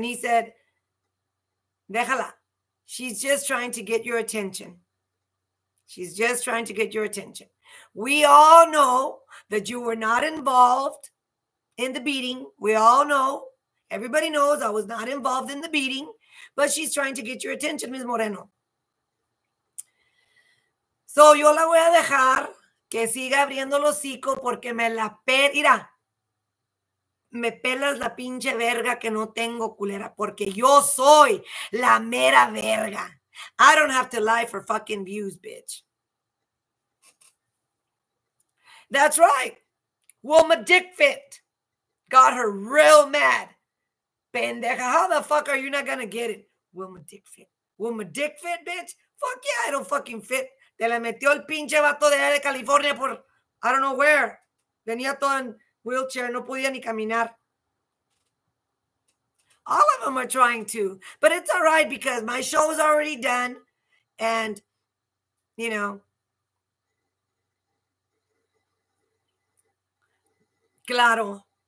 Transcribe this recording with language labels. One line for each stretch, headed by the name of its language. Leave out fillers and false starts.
English: And he said,
Spanish: déjala.
English: She's just trying to get your attention. She's just trying to get your attention. We all know that you were not involved in the beating. We all know. Everybody knows I was not involved in the beating, but she's trying to get your attention, Ms. Moreno.
Spanish: So yo la voy a dejar que siga abriendo el hocico porque me la pela. Mira, me pelas la pinche verga que no tengo, culera, porque yo soy la mera verga.
English: I don't have to lie for fucking views, bitch. That's right. Well, my dick fit got her real mad. Pendeja, how the fuck are you not gonna get it? Will my dick fit? Will my dick fit, bitch? Fuck yeah, I don't fucking fit.
Spanish: Te la metió el pinche vato de allá de California por,
English: I don't know where.
Spanish: Venía todo en wheelchair, no podía ni caminar.
English: All of them are trying to, but it's all right because my show is already done and, you know, claro.